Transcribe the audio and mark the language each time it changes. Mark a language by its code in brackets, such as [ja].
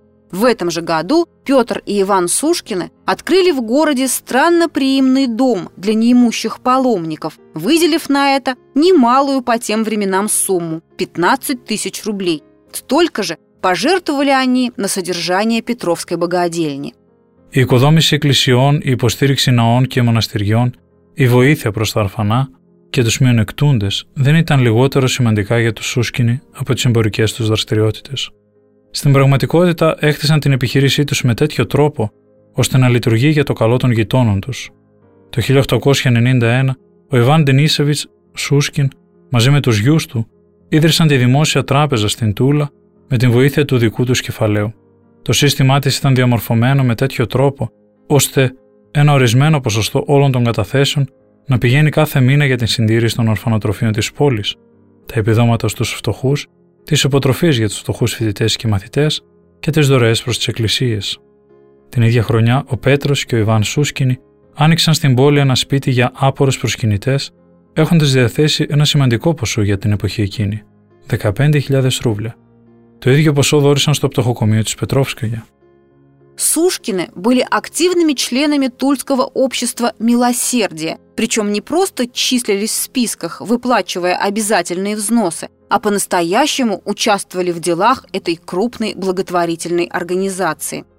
[ru] В этом же году Петр и Иван Сушкины открыли в городе странноприимный дом для неимущих паломников, выделив на это немалую по тем временам сумму – 15 тысяч рублей. Столько же пожертвовали они на содержание Петровской богадельни. [el] Η οικοδόμηση εκκλησιών, η υποστήριξη ναών και μοναστηριών, η βοήθεια προς τα ορφανά και τους μειονεκτούντες δεν ήταν λιγότερο σημαντικά για τους Σούσκινοι από τις εμπορικές τους δραστηριότητες. Στην πραγματικότητα έχτισαν την επιχείρησή τους με τέτοιο τρόπο ώστε να λειτουργεί για το καλό των γειτόνων τους. Το 1891 ο Ιβάν Ντενίσεβιτς Σούσκιν μαζί με τους γιους του ίδρυσαν τη δημόσια τράπεζα στην Τούλα με την βοήθεια του δικού τους κεφαλαίου. Το σύστημά της ήταν διαμορφωμένο με τέτοιο τρόπο ώστε ένα ορισμένο ποσοστό όλων των καταθέσεων να πηγαίνει κάθε μήνα για την συντήρηση των ορφανοτροφείων της πόλης, τα επιδόματα στους φτωχούς, τις υποτροφίες για τους φτωχούς φοιτητές και μαθητές και τις δωρεές προς τις εκκλησίες. Την ίδια χρονιά ο Πέτρος και ο Ιβάν Σούσκινοι άνοιξαν στην πόλη ένα σπίτι για άπορους προσκυνητές, έχοντας διαθέσει ένα σημαντικό ποσό για την εποχή εκείνη, 15.000 ρούβλια. Το ίδιο ποσό δώρησαν στο πτωχοκομείο της Πετρόφσκαγια. [ru] Сушкины были активными членами Тульского общества «Милосердие», причем не просто числились в списках, выплачивая обязательные взносы, а по-настоящему участвовали в делах этой крупной благотворительной организации.